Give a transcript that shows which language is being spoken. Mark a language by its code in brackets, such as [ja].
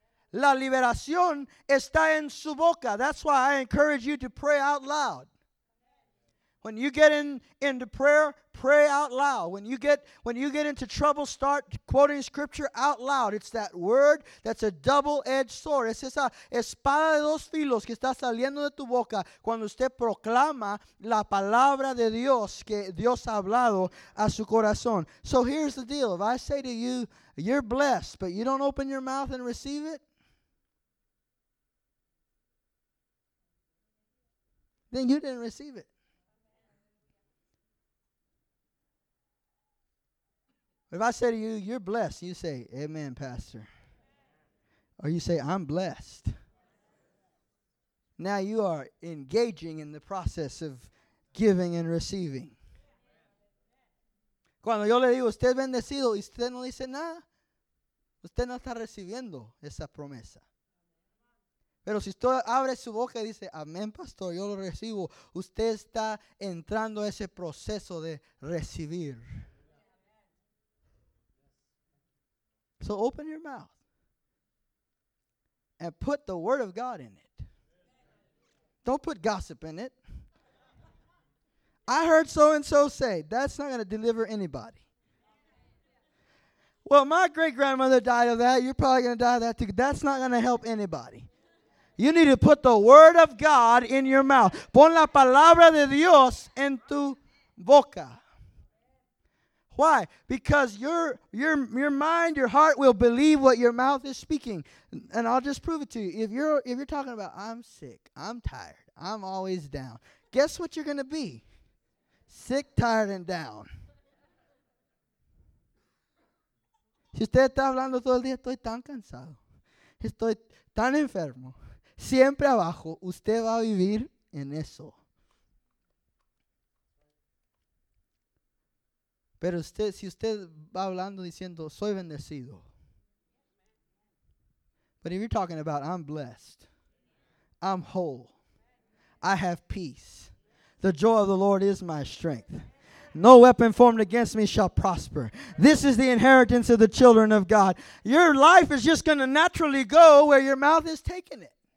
[es] La liberación está en su boca. [en] That's why I encourage you to pray out loud. When you get into prayer, pray out loud. When you get into trouble, start quoting scripture out loud. It's that word that's a double-edged sword. [es] Es esa espada de dos filos que está saliendo de tu boca cuando usted proclama la palabra de Dios que Dios ha hablado a su corazón. [en] So here's the deal. If I say to you, you're blessed, but you don't open your mouth and receive it, then you didn't receive it. If I say to you, you're blessed, you say, amen, Pastor. Or you say, I'm blessed. Now you are engaging in the process of giving and receiving. [es] Cuando yo le digo, usted bendecido, y usted no dice nada, usted no está recibiendo esa promesa. Pero si usted abre su boca y dice, amén, pastor, yo lo recibo. Usted está entrando a ese proceso de recibir. [en] So open your mouth. And put the word of God in it. Don't put gossip in it. I heard so-and-so say, that's not going to deliver anybody. Well, my great-grandmother died of that. You're probably going to die of that too. That's not going to help anybody. You need to put the word of God in your mouth. [es] Pon la palabra de Dios en tu boca. [en] Why? Because your mind, your heart will believe what your mouth is speaking. And I'll just prove it to you. If you're talking about, I'm sick, I'm tired, I'm always down, guess what you're going to be? Sick, tired, and down. [es] Si usted está hablando todo el día, estoy tan cansado. Estoy tan enfermo. Siempre abajo, usted va a vivir en eso. Pero usted, si usted va hablando diciendo, soy bendecido. [en] But if you're talking about, I'm blessed, I'm whole, I have peace, the joy of the Lord is my strength. No weapon formed against me shall prosper. This is the inheritance of the children of God. Your life is just going to naturally go where your mouth is taking it.